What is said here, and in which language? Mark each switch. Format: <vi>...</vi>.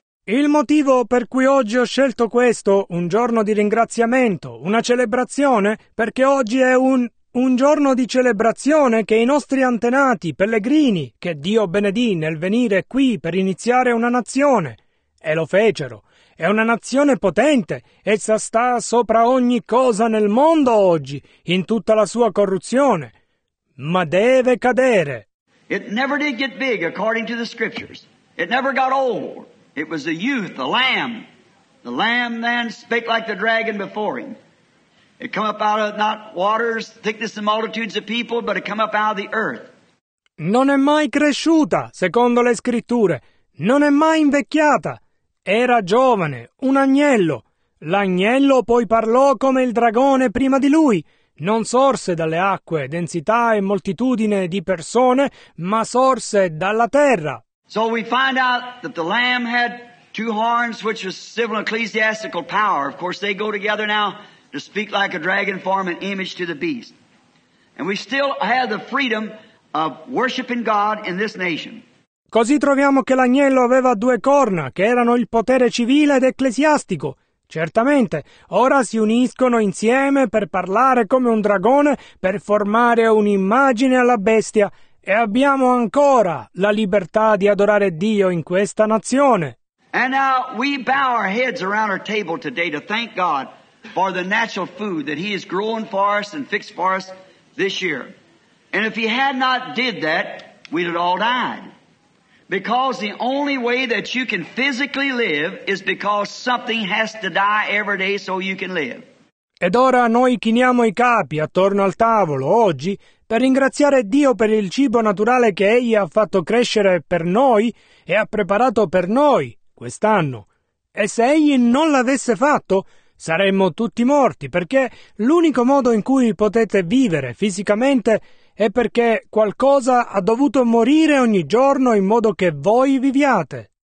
<it>Il motivo per cui oggi ho scelto questo, un giorno di ringraziamento, una celebrazione, perché oggi è un giorno di celebrazione che i nostri antenati, pellegrini, che Dio benedì nel venire qui per iniziare una nazione, e lo fecero. È una nazione potente, essa sta sopra ogni cosa nel mondo oggi, in tutta la sua corruzione. Ma deve cadere.</it> <en>It never did get big according to the scriptures. It never got old. It was a youth, a lamb. The lamb then spake like the dragon before him. It come up out of not waters, thickness and multitudes of people, but it come up out of the earth.</en> <it>Non è mai cresciuta, secondo le scritture. Non è mai invecchiata. Era giovane, un agnello. L'agnello poi parlò come il dragone prima di lui. Non sorse dalle acque, densità e moltitudine di persone, ma sorse dalla terra.</it> <en>So we find out that the lamb had two horns, which was civil and ecclesiastical power. Of course, they go together now. To speak like a dragon, form an image to the beast. And we still have the freedom of worshiping God in this nation.</en> <it>Così troviamo che l'agnello aveva due corna, che erano il potere civile ed ecclesiastico. Certamente, ora si uniscono insieme per parlare come un dragone, per formare un'immagine alla bestia, e abbiamo ancora la libertà di adorare Dio in questa nazione.</it> <en>And now we bow our heads around our table today to thank God for the natural food that he has grown for us and fixed for us this year. And if he had not did that, we'd have all died. Because the only way that you can physically live is because something has to die every day so you can live.</en> <it>Ed ora noi chiniamo i capi attorno al tavolo oggi per ringraziare Dio per il cibo naturale che egli ha fatto crescere per noi e ha preparato per noi quest'anno. E se egli non l'avesse fatto, saremmo tutti morti, perché l'unico modo in cui potete vivere fisicamente è perché qualcosa ha dovuto morire ogni giorno in modo che voi viviate.</it>